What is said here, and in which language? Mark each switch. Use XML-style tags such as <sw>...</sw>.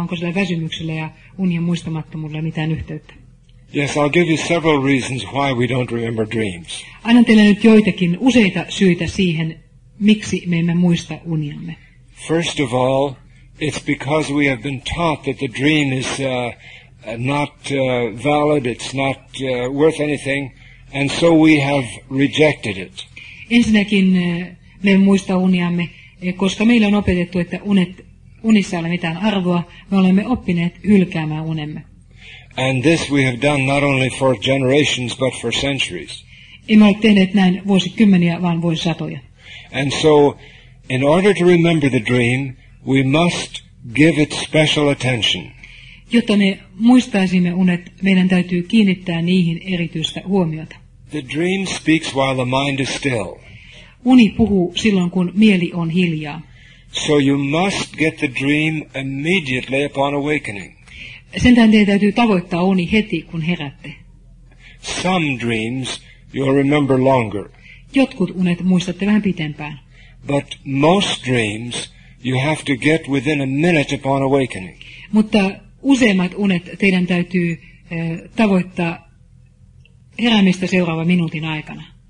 <fi>Onko sillä väsymyksellä ja unien muistamattomuudella mitään yhteyttä?</fi> <en>Yes, I'll give you several reasons why we don't remember dreams.</en> <fi>Annan teille nyt joitakin useita syitä siihen, miksi me emme muista uniamme.</fi> <en>First of all, it's because we have been taught that the dream is not valid, it's not worth anything, and so we have rejected it.</en> <fi>Ensinnäkin me muista uniamme, koska meillä on opetettu, että unissa ei ole mitään arvoa, me olemme oppineet hylkäämään unemme.</fi> <en>And this we have done not only for generations, but for centuries.</en> <fi>Emme ole tehneet näin vuosikymmeniä, vaan vuosisatoja.</fi> <en>And so, in order to remember the dream, we must give it special attention.</en> <fi>Jotta me muistaisimme unet, meidän täytyy kiinnittää niihin erityistä huomiota.</fi> <en>The dream speaks while the mind is still.</en> <fi>Uni puhuu silloin, kun mieli on hiljaa.</fi> <en>So you must get the dream immediately upon awakening.</en> <fi>Sen tähden teidän täytyy tavoittaa uni heti, kun herätte.</fi> <en>Some dreams you'll remember longer.</en> <fi>Jotkut unet muistatte vähän pitempään.</fi> <en>But most dreams you have to get within a minute upon awakening.</en> <fi>Mutta useimmat unet teidän täytyy tavoittaa heräämistä seuraava minuutin aikana.</fi>